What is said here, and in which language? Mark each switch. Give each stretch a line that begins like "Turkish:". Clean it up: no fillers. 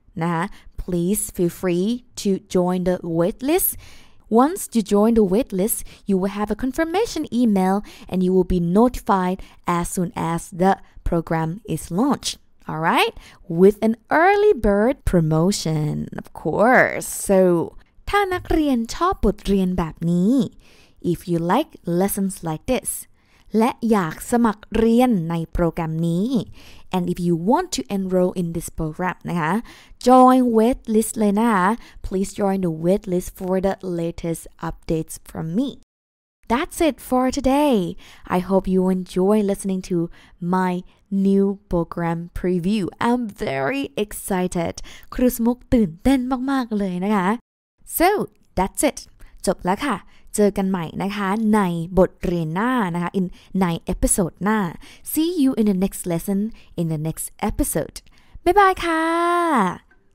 English: Nah, please feel free to join the waitlist. Once you join the waitlist, you will have a confirmation email and you will be notified as soon as the program is launched. All right, with an early bird promotion, of course. So,
Thai: ถ้านักเรียนชอบบทเรียนแบบนี้
English: if you like lessons like this,
Thai: และอยากสมัครเรียนในโปรแกรมนี้
English: and if you want to enroll in this program, นะคะ join waitlist เลยนะคะ please join the waitlist for the latest updates from me. That's it for today. I hope you enjoy listening to my new program preview. I'm very excited.
Thai: ครูสมุกตื่นเต้นมากๆเลยนะคะ
English: So, that's it.
Thai: จบแล้วค่ะเจอกันใหม่นะคะในบทเรียนหน้านะคะ ในเอพิโซดหน้า
English: See you in the next lesson in the next episode. Bye-bye
Thai: ค่ะ